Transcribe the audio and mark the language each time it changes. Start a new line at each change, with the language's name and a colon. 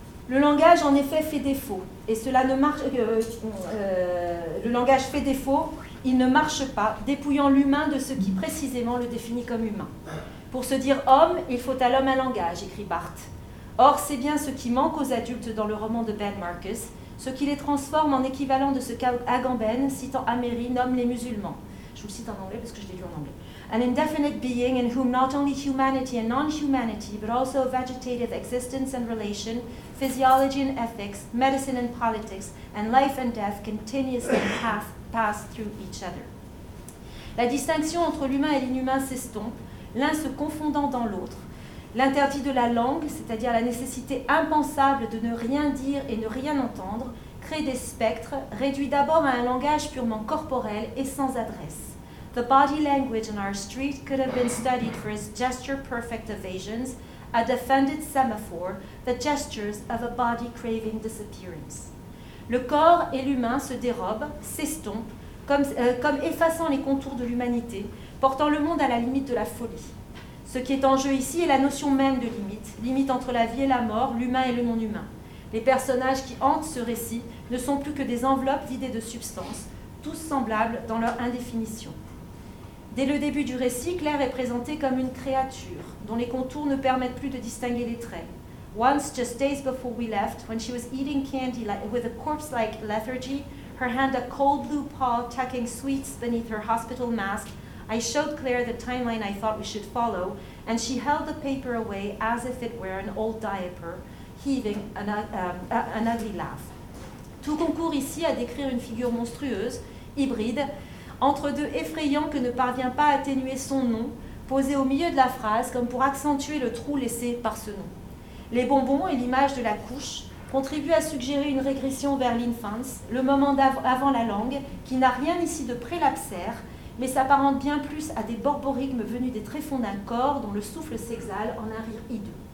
French: Le langage, en effet, fait défaut. Et cela ne marche... le langage fait défaut, il ne marche pas, dépouillant l'humain de ce qui précisément le définit comme humain. Pour se dire homme, il faut à l'homme un langage, écrit Barthes. Or, c'est bien ce qui manque aux adultes dans le roman de Ben Marcus, ce qui les transforme en équivalent de ce qu'Agamben, citant Améry, nomme les musulmans. Je vous le cite en anglais parce que je l'ai lu en anglais.
English: An indefinite being in whom not only humanity and non-humanity, but also vegetative existence and relation, physiology and ethics, medicine and politics, and life and death continuously pass through each other.
French: La distinction entre l'humain et l'inhumain s'estompe, l'un se confondant dans l'autre. L'interdit de la langue, c'est-à-dire la nécessité impensable de ne rien dire et ne rien entendre, crée des spectres, réduits d'abord à un langage purement corporel et sans adresse.
English: The body language on our street could have been studied for its gesture-perfect evasions, a defended semaphore, the gestures of a body craving disappearance.
French: Le corps et l'humain se dérobent, s'estompent, comme effaçant les contours de l'humanité, portant le monde à la limite de la folie. Ce qui est en jeu ici est la notion même de limite, limite entre la vie et la mort, l'humain et le non-humain. Les personnages qui hantent ce récit ne sont plus que des enveloppes vidées de substance, tous semblables dans leur indéfinition. Dès le début du récit, Claire est présentée comme une créature dont les contours ne permettent plus de distinguer les traits.
English: Once, just days before we left, when she was eating candy with a corpse-like lethargy, her hand a cold blue paw tucking sweets beneath her hospital mask, I showed Claire the timeline I thought we should follow, and she held the paper away as if it were an old diaper, heaving an ugly laugh.
French: Tout concourt ici à décrire une figure monstrueuse, hybride, entre deux effrayants que ne parvient pas à atténuer son nom, posé au milieu de la phrase comme pour accentuer le trou laissé par ce nom. Les bonbons et l'image de la couche contribuent à suggérer une régression vers l'infance, le moment avant la langue, qui n'a rien ici de prélapsaire, mais s'apparente bien plus à des borborygmes venus des tréfonds d'un corps dont le souffle s'exhale en un rire hideux.